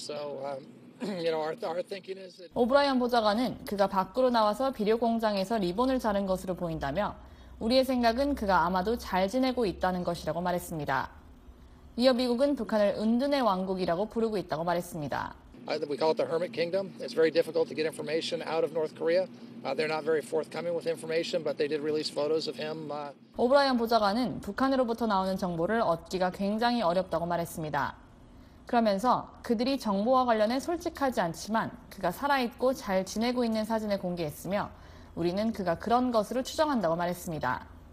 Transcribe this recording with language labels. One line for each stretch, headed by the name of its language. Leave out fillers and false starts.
English: So, you know, our thinking is.
Korean: 오브라이언 보좌관은 그가 밖으로 나와서 비료 공장에서 리본을 자른 것으로 보인다며 우리의 생각은 그가 아마도 잘 지내고 있다는 것이라고 말했습니다. 이어 미국은 북한을 은둔의 왕국이라고 부르고 있다고 말했습니다.
English: We call it the Hermit Kingdom. It's very difficult to get information out of North Korea. They're not very forthcoming with information, but they did release photos of him.
Korean: 오브라이언 보좌관은 북한으로부터 나오는 정보를 얻기가 굉장히 어렵다고 말했습니다. 그러면서 그들이 정보와 관련해 솔직하지 않지만 그가 살아있고 잘 지내고 있는 사진을 공개했으며 우리는 그가 그런 것으로 추정한다고 말했습니다.